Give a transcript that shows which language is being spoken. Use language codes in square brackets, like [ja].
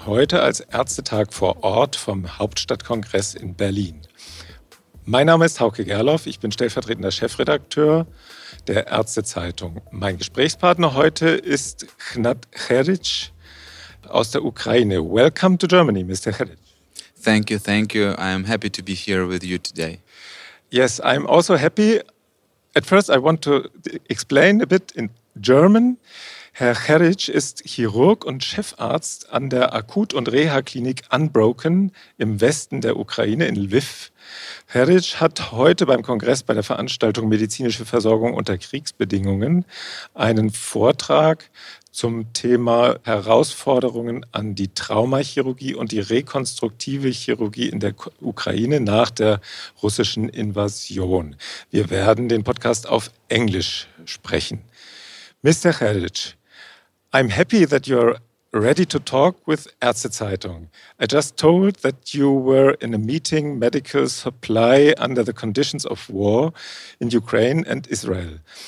[de] Heute als Ärztetag vor Ort vom Hauptstadtkongress in Berlin. Mein Name ist Hauke Gerloff, ich bin stellvertretender Chefredakteur der Ärztezeitung. Mein Gesprächspartner heute ist Hnat Kheric aus der Ukraine. [en] Welcome to Germany, Mr. Kheric. Thank you. I am happy to be here with you today. Yes, I'm also happy. At first, I want to explain a bit in German. [de] Herr Kheric ist Chirurg und Chefarzt an der Akut- und Reha-Klinik Unbroken im Westen der Ukraine in Lviv. Kheric hat heute beim Kongress bei der Veranstaltung Medizinische Versorgung unter Kriegsbedingungen einen Vortrag zum Thema Herausforderungen an die Traumachirurgie und die rekonstruktive Chirurgie in der Ukraine nach der russischen Invasion. Wir werden den Podcast auf Englisch sprechen. Mr. [en] Kheric, I'm happy that you're ready to talk with Ärztezeitung. I just told that you were in a meeting, medical supply under the conditions of war in Ukraine and Israel.